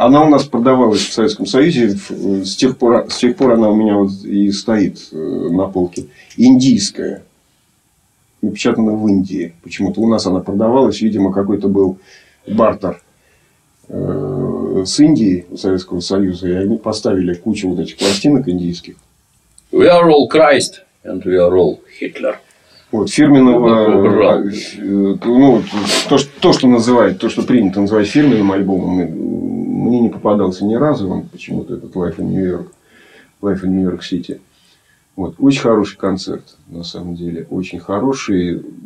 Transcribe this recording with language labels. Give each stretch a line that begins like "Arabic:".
Russian: Она у нас продавалась в Советском Союзе, с тех пор она у меня вот и стоит на полке. Индийская. Напечатана в Индии. Почему-то у нас она продавалась. Видимо, какой-то был бартер с Индии, Советского Союза. И они поставили кучу вот этих пластинок индийских.
English: We are all Christ and we are all Hitler.
Russian: Вот, фирменного... Ну, то, что принято называть фирменным альбомом, мне не попадался ни разу. Он почему-то этот Life in New York. Life in New York City. Вот. Очень хороший концерт, на самом деле. Очень хороший.